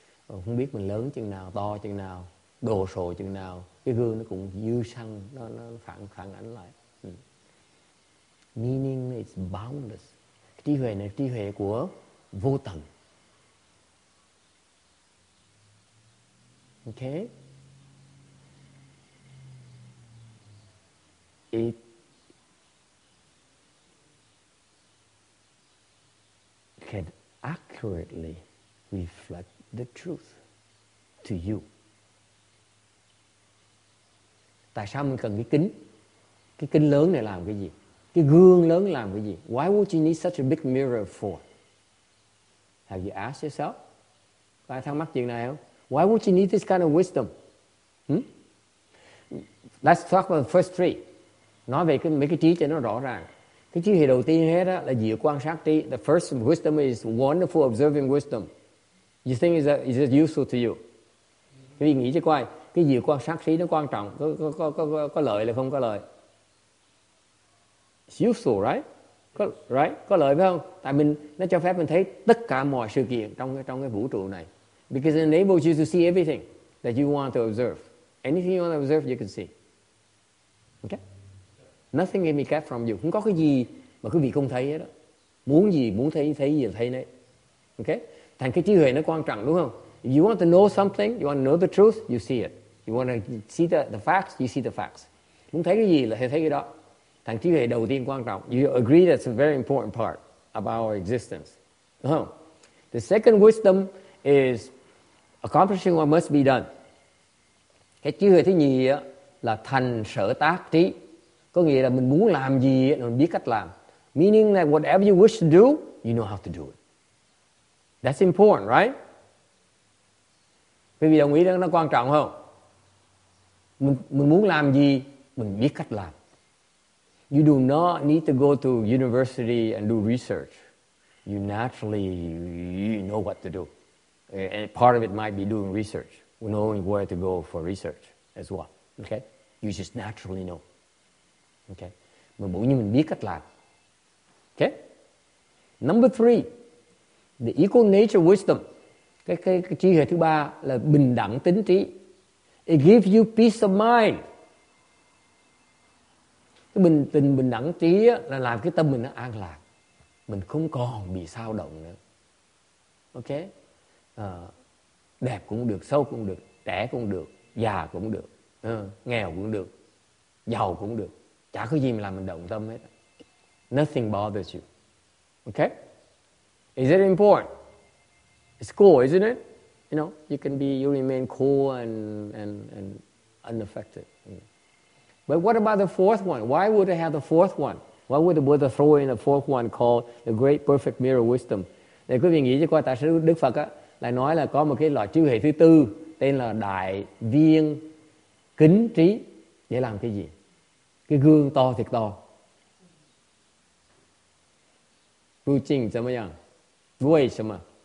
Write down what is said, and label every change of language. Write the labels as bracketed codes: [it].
[vi] Không biết mình lớn chừng nào, to chừng nào, đồ sộ chừng nào, cái gương nó cũng dư xăng, nó phản ánh lại. [en] Meaning is boundless. [vi] Trí huệ này trí huệ của vô tận. [en] Okay. It can accurately reflect the truth to you. [vi] Tại sao mình cần cái kính? Cái kính lớn này làm cái gì? Cái gương lớn làm cái gì? [en] Why would you need such a big mirror for? Have you asked yourself? [vi] Có ai thắc mắc chuyện này không? [en] Why would you need this kind of wisdom? Let's talk about the first three. [vi] Nói về mấy cái trí cho nó rõ ràng. Cái trí huệ đầu tiên hết á, là dịu quan sát trí. [en] The first wisdom is wonderful observing wisdom. You think is it useful to you? [vi] Cái gì nghĩ cho coi, cái dịu quan sát trí nó quan trọng, có lợi là không có lợi? [en] It's useful, right? [vi] Có lợi phải không? Tại mình nó cho phép mình thấy tất cả mọi sự kiện trong cái vũ trụ này. [en] Because it enables you to see everything that you want to observe. Anything you want to observe, you can see. Okay? Nothing can be kept from you. [vi] Không có cái gì mà quý vị không thấy hết đó. Muốn gì, muốn thấy gì thấy đấy. Okay? Thành cái trí huệ nó quan trọng đúng không? [en] If you want to know something, you want to know the truth, you see it. You want to see the facts, you see the facts. [vi] Muốn thấy cái gì là thấy cái đó. Thành trí huệ đầu tiên quan trọng. [en] You agree that's a very important part about our existence. [vi] Đúng không? [en] The second wisdom is accomplishing what must be done. [vi] Cái trí huệ thứ nhì á, là thành sở tác trí. Có nghĩa là mình muốn làm gì mình biết cách làm. [en] Meaning that whatever you wish to do, you know how to do it. That's important, right? [vi] Quý vị đồng ý rằng nó quan trọng không? Mình muốn làm gì, mình biết cách làm. [en] You do not need to go to university and do research. You naturally you know what to do. And part of it might be doing research, knowing where to go for research as well. Okay? You just naturally know. Okay? [vi] Mà muốn như mình biết cách làm. Okay? [en] Number three, the equal nature wisdom. [vi] Cái trí huệ thứ ba là bình đẳng tính trí. [en] It gives you peace of mind. [vi] Cái bình đẳng trí là làm cái tâm mình nó an lạc. Mình không còn bị sao động nữa. Okay? Đẹp cũng được, sâu cũng được, trẻ cũng được, già cũng được, nghèo cũng được, giàu cũng được, chả có gì mà làm mình động tâm hết. [en] Nothing bothers you. Okay? Is it important? It's cool, isn't it? You know, you can be, you remain cool and unaffected. But what about the fourth one? Why would I have the fourth one? Why would the Buddha throw in the fourth one called the great perfect mirror wisdom? [vi] Để quý vị nghĩ cho coi tại sao Đức Phật á lại nói là có một cái loại trí huệ thứ tư tên là đại viên kính trí để làm cái gì? Cái gương to thiệt to. Vô trình, sao mà?